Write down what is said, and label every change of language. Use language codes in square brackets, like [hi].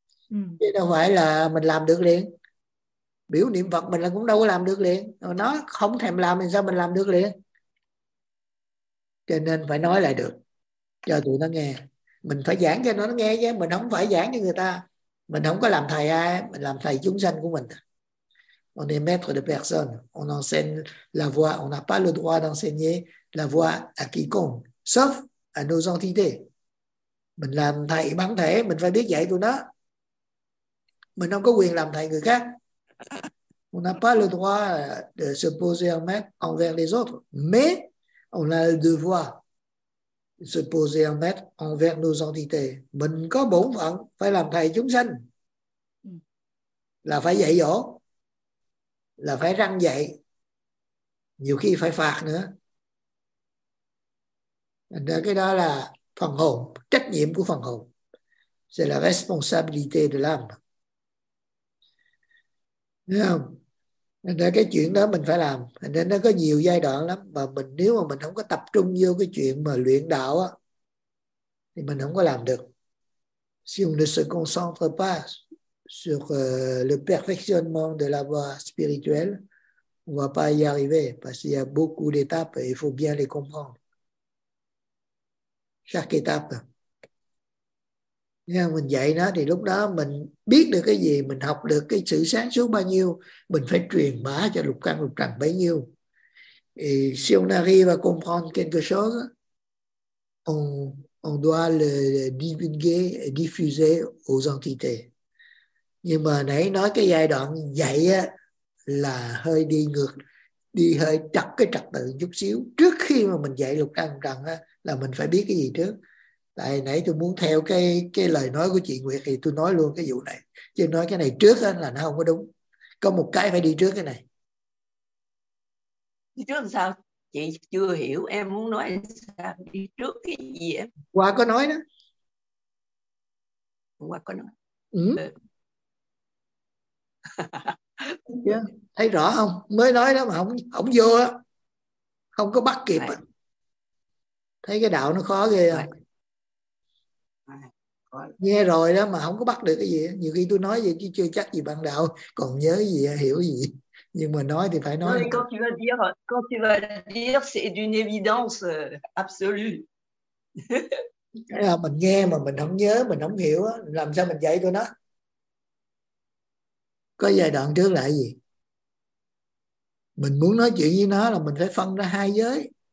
[vi] Chứ đâu phải là mình làm được liền. Biểu niệm Phật mình là cũng đâu có làm được liền. Nó không thèm làm thì sao mình làm được liền? Cho nên phải nói lại được cho tụi nó nghe. Mình phải giảng cho nó nghe chứ. Mình không phải giảng cho người ta. Mình không có làm thầy ai. Mình làm thầy chúng sanh của mình. [fr] On est maître de personne. On enseigne la voie. On n'a pas le droit d'enseigner la voie à quiconque. Sauf à nos entités. [vi] Mình làm thầy bản thể. Mình phải biết dạy tụi nó. Mình không có quyền làm thầy người khác. [fr] On n'a pas le droit de se poser en maître envers les autres, mais on a le devoir de se poser en maître envers nos entités. [vi] Mình có bổn phận phải làm thầy chúng sanh, là phải dạy dỗ, là phải răn dạy, nhiều khi phải phạt nữa. Thành ra cái đó là phần hồn, trách nhiệm của phần hồn. [fr] C'est la responsabilité de l'âme. [vi] Thấy không? Nên là cái chuyện đó mình phải làm. Nên nó có nhiều giai đoạn lắm. Mà mình nếu mà mình không có tập trung vô cái chuyện mà luyện đạo á, thì mình không có làm được. [fr] Si on ne se concentre pas sur le perfectionnement de la voie spirituelle, on va pas y arriver parce qu'il y a beaucoup d'étapes et il faut bien les comprendre. Chaque étape. [vi] Nếu mình dạy nó thì lúc đó mình biết được cái gì, mình học được cái sự sáng suốt bao nhiêu, mình phải truyền bá cho lục căn lục trần bấy nhiêu. [fr] Et si on arrive à comprendre quelque chose, on doit le divulguer et diffuser aux entités. [vi] Nhưng mà nãy nói cái giai đoạn dạy á, là hơi đi ngược, đi hơi chặt cái trật tự chút xíu. Trước khi mà mình dạy lục căn lục trần á, là mình phải biết cái gì trước. Tại nãy tôi muốn theo cái lời nói của chị Nguyệt thì tôi nói luôn cái vụ này. Chứ nói cái này trước á, là nó không có đúng. Có một cái phải đi trước cái này. Đi trước làm sao? Chị chưa hiểu em muốn nói sao, đi trước cái gì em? Qua có nói đó. Qua có nói. Ừ. Thấy rõ không? Mới nói đó mà không vô á. Không có bắt kịp. Đấy. Thấy cái đạo nó khó ghê không? Đấy. Nghe rồi đó mà không có bắt được cái gì. Nhiều khi tôi nói vậy chứ chưa chắc gì bạn đạo còn nhớ gì, hiểu gì. Nhưng mà nói thì phải nói. [fr] Quand tu vas dire, c'est d'une évidence absolue. [vi] Mình nghe mà mình không nhớ, mình không hiểu, làm sao mình dạy tôi nó? Có giai đoạn trước là gì? Mình muốn nói chuyện với nó là mình phải phân ra hai giới.